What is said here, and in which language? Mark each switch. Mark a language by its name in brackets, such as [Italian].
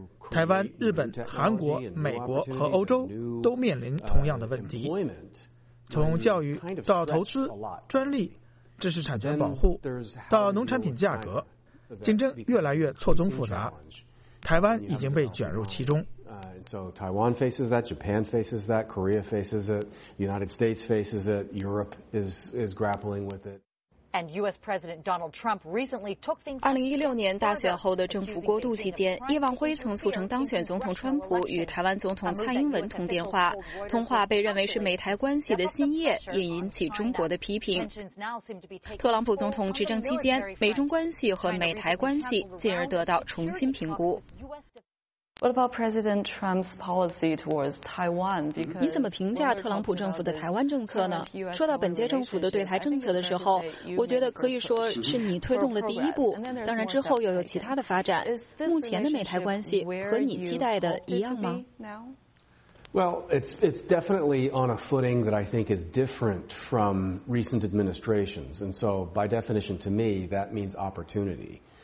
[Chinese] 台湾、日本、韩国、美国和欧洲都面临同样的问题，从教育到投资、专利、知识产权保护到农产品价格，竞争越来越错综复杂，台湾已经被卷入其中。 [English] So Taiwan faces that, Japan faces that, Korea faces it, United States faces it, Europe is grappling with it. And U.S. President Donald Trump recently took things. [Chinese] 2016年大选后的政府过渡期间，叶望辉曾促成当选总统川普与台湾总统蔡英文通电话，通话被认为是美台关系的新页，也引起中国的批评。特朗普总统执政期间，美中关系和美台关系进而得到重新评估。 [English] What about President Trump's policy towards Taiwan? [Chinese] 你怎么评价特朗普政府的台湾政策呢？说到本届政府的对台政策的时候，我觉得可以说是你推动了第一步，当然之后又有其他的发展。目前的美台关系和你期待的一样吗？ [English] Well, it's definitely on a footing that I think is different from recent administrations, and so by definition, to me, that means opportunity.